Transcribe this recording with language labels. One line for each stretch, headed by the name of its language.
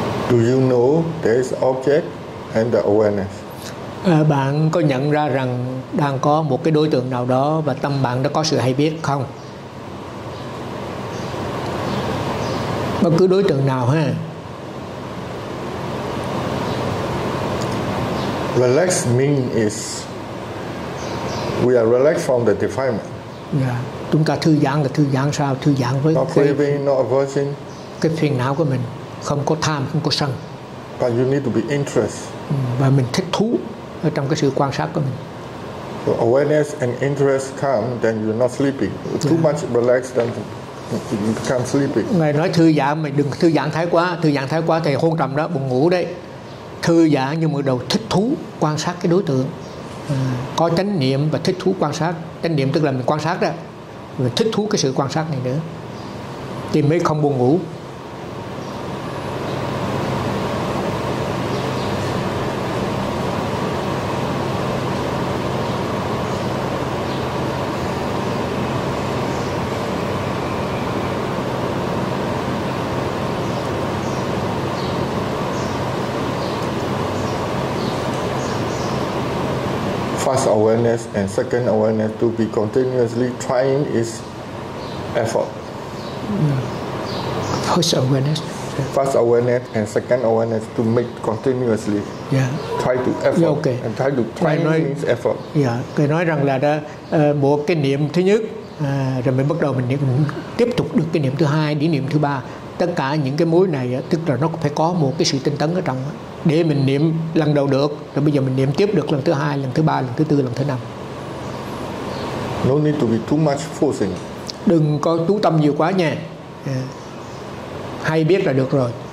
English: Do you know there is object and the awareness?
Vietnamese: Bạn có nhận ra rằng đang có một cái đối tượng nào đó và tâm bạn đã có sự hay biết không? Bất cứ đối tượng nào ha.
English: Relax mean is we are relaxed from the defilement. Yeah.
Vietnamese: Chúng ta thư giãn là thư giãn sao? Thư giãn với
English: not craving, not aversion.
Vietnamese: Cái phiền não của mình. Không có tham, không có sân.
English: But you need to be interested.
Vietnamese: Và mình thích thú ở trong cái sự quan sát của mình.
English: So awareness and interest come, then you're not sleeping. Yeah. Too much relaxed, then you become sleepy.
Vietnamese: Ngài nói thư giãn, mà đừng thư giãn thái quá. Thư giãn thái quá thì hôn trầm đó, buồn ngủ đấy. Thư giãn nhưng mà đầu thích thú, quan sát cái đối tượng. Có chánh niệm và thích thú quan sát. Chánh niệm tức là mình quan sát đó. Và thích thú cái sự quan sát này nữa. Thì mới không buồn ngủ.
English: First awareness and second awareness to be continuously trying is effort. Yeah. First awareness. Yeah. First awareness and second awareness to make continuously. Yeah. Try to effort. Yeah, okay. And try to try means effort. Yeah.
Vietnamese: Cái nói rằng là đã một cái niệm thứ nhất, rồi mới bắt đầu mình tiếp tục được cái niệm thứ hai, đến niệm thứ ba. Tất cả những cái mối này, tức là nó phải có một cái sự tinh tấn ở trong. Để mình niệm lần đầu được, rồi bây giờ mình niệm tiếp được lần thứ hai, lần thứ ba, lần thứ tư, lần thứ năm.
English: No need to be too much forcing.
Vietnamese: Đừng có chú tâm nhiều quá nha. Yeah. Hay biết là được rồi.